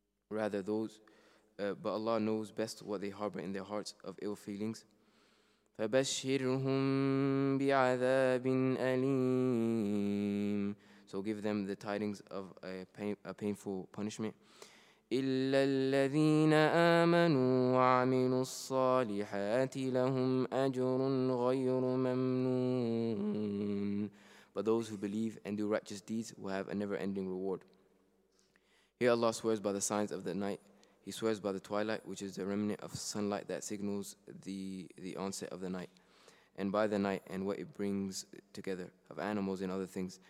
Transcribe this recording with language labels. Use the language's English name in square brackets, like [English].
[English] Rather, those, but Allah knows best what they harbor in their hearts of ill feelings. [Arabic] فبشرهم بعذاب أليم. [English] So give them the tidings of a painful punishment. [Arabic] إلا الذين آمنوا وعملوا الصالحات لهم أجر غير ممنون. [English] But those who believe and do righteous deeds will have a never-ending reward. Here Allah swears by the signs of the night. He swears by the twilight, which is the remnant of sunlight that signals the onset of the night. And by the night and what it brings together of animals and other things.